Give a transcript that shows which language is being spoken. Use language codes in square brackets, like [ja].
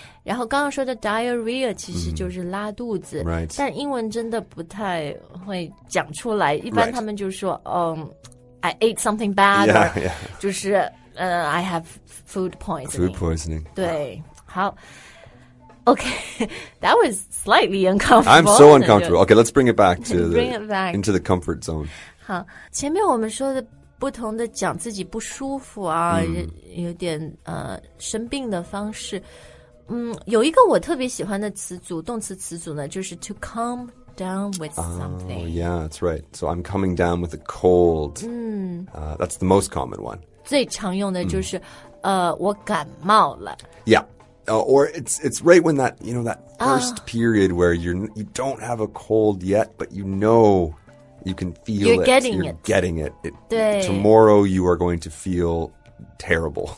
[zh] 然后刚刚说的 diarrhea 其实就是拉肚子。 [en] Mm. Right. [zh] 但英文真的不太会讲出来一般他们就说、 [en] right. I ate something bad, yeah, yeah. [zh] 就是 [en] I have food poisoning. Food poisoning. [zh] 对、 [en] wow. [zh] 好 [en] Okay, that was slightly uncomfortable. I'm so uncomfortable. Okay, let's bring it back to bring the, it back. Into the comfort zone. [zh] 好前面我们说的不同的讲自己不舒服啊、有点生病的方式有一个我特别喜欢的词组动词词组呢就是 [en] to calmdown with something. Oh, yeah, that's right. So I'm coming down with a cold. That's the most common one. [zh] 最常用的就是我感冒了。 [en] Yeah. Or it's right when that, you know, that first period where you don't have a cold yet, but you know you can feel you're it. You're getting it. [zh] 对。 [en] Tomorrow you are going to feel terrible.